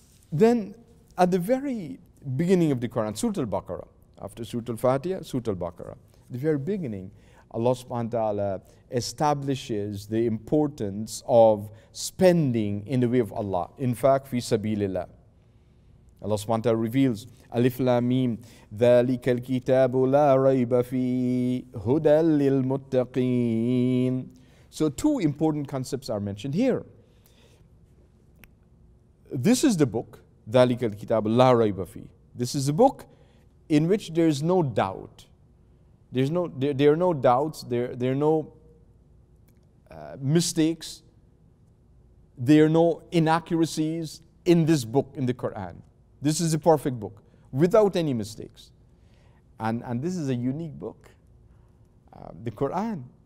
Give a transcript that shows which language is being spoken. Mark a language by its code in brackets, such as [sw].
[en] Then, at the very beginning of the Quran, Surah Al-Baqarah, after Surah Al-Fatiha, Surah Al-Baqarah, the very beginning, Allah subhanahu wa ta'ala establishes the importance of spending in the way of Allah. In fact, fi sabilillah. Allah subhanahu wa ta'ala reveals, Alif Lam Mim, [ar] ذَلِكَ الْكِتَابُ لَا رَيْبَ فِيهِ هُدًى لِلْمُتَّقِينَ. [en] So two important concepts are mentioned here. This is the book, [ar] ذَلِكَ الْكِتَابُ لَا رَيْبَ فِيهِ. [en] This is a book in which there is no doubt. There are no doubts, there are no mistakes, there are no inaccuracies in this book, in the Quran. This is a perfect book, without any mistakes. And this is a unique book, the Quran.